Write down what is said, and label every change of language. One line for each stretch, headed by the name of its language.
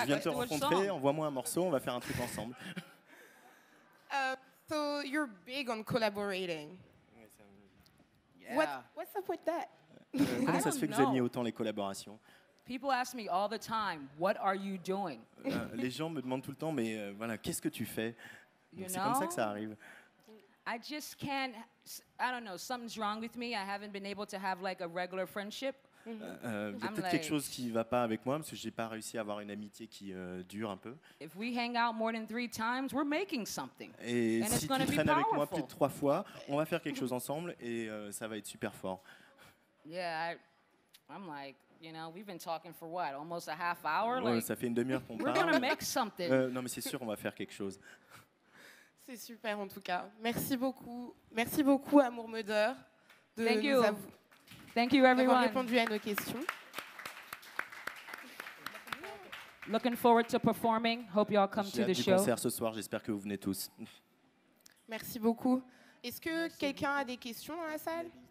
French: Je viens te rencontrer, envoie-moi un morceau, on va faire un truc ensemble.
English: So you're big on collaborating. Yeah. What's up with that?
French: Comment ça se fait que vous aimiez autant les collaborations?
English: People ask me all the time, what are you doing?
French: Les gens me demandent tout le temps, mais voilà, qu'est-ce que tu fais? C'est comme ça que ça arrive.
English: I just can't, I don't know, something's wrong with me. I haven't been able to have like a regular friendship.
French: Il y a peut-être quelque chose qui ne va pas avec moi, parce que je n'ai pas réussi à avoir une amitié qui dure un peu.
English: If we hang out more than three times, we're making something.
French: Et si tu traînes avec moi plus de trois fois, on va faire quelque chose ensemble et ça va être super fort.
English: Yeah, I'm like, you know, we've been talking for what, almost a half hour.
French: Ouais, like, ça fait une demi-heure qu'on parle.
English: We're gonna make something.
French: Non, mais c'est sûr, on va faire quelque chose. C'est super, en tout cas. Merci beaucoup à Moor Mother de
English: Thank
French: nous
English: avoir. Thank you, everyone.
French: D'avoir répondu à nos questions.
English: Looking forward to performing. Hope you all come
French: J'ai
English: to the show.
French: J'ai hâte du concert ce soir. J'espère que vous venez tous. Merci beaucoup. Est-ce que quelqu'un a des questions dans la salle?